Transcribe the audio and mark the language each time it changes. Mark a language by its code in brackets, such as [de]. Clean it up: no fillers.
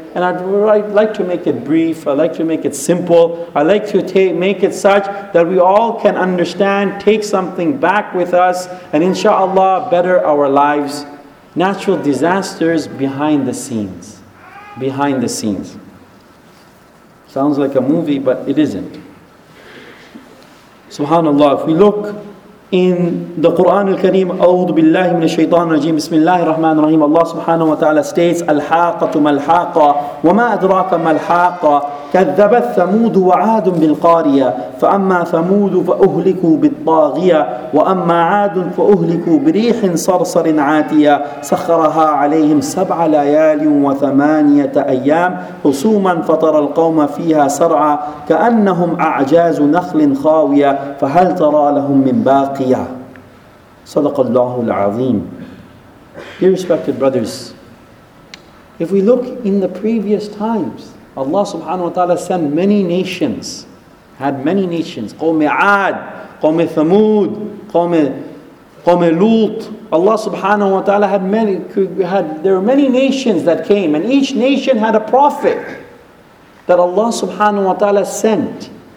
[en] And I'd like to make it brief, I'd like to make it simple, I'd like to make it such that we all can understand, take something back with us, and inshaAllah, better our lives. Natural disasters behind the scenes. Behind the scenes. Sounds like a movie, but it isn't. SubhanAllah, if we look in the Quran al-Kareem, [ar] أعوذ بالله من الشيطان الرجيم بسم الله الرحمن الرحيم الله سبحانه وتعالى [en] states [ar] الحاقة ما الحاقة وما أدراك ما الحاقة كذبت ثمود وعاد بالقارية فأما ثمود فأهلكوا بالطاغية وأما عاد فأهلكوا بريح صرصر عاتية سخرها عليهم سبع ليال وثمانية أيام حسوما فترى القوم فيها صرعى كأنهم أعجاز نخل خاوية فهل ترى لهم من باقية صدق الله العظيم. [en] Dear respected brothers, if we look in the previous times, Allah subhanahu wa ta'ala sent many nations, had many nations, Qawmi Aad, Qawmi Thamud, Qawmi Lut. Allah subhanahu wa ta'ala there were many nations that came, and each nation had a prophet that Allah subhanahu wa ta'ala sent.